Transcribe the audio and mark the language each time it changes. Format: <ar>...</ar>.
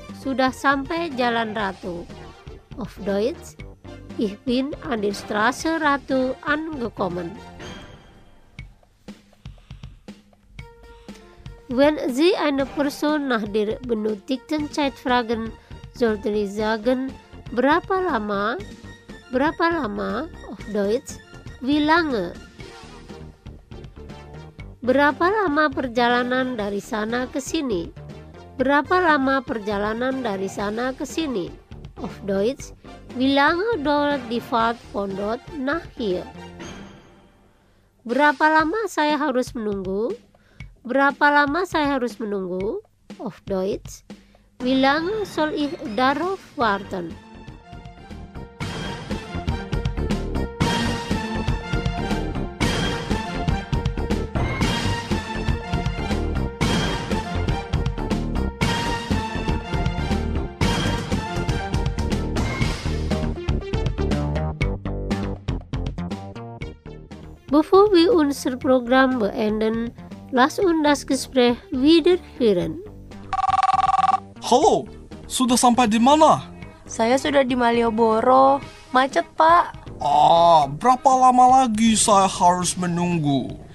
<id>Sudah sampai Jalan Ratu.</id> <de>Auf Deutsch, ich bin an der Straße Ratu angekommen. Wenn Sie eine Person nach der benötigten Zeit fragen, sollten Sie sagen,</de> <id>berapa lama? Berapa lama?</id> <de>Auf Deutsch, wie lange?</de> <id>Berapa lama perjalanan dari sana ke sini? Berapa lama perjalanan dari sana ke sini?</id> <de>Auf Deutsch, wie lange dauert die Fahrt von dort nach hier?</de> <id>Berapa lama saya harus menunggu? Berapa lama saya harus menunggu?</id> <de>Auf Deutsch. Wie lange soll ich darauf warten? Bevor wir unser Programm beenden, lass uns das Gespräch wieder hören.</de> <id>Halo, sudah sampai di mana? Saya sudah di Malioboro. Macet, Pak. Ah, berapa lama lagi saya harus menunggu?</id>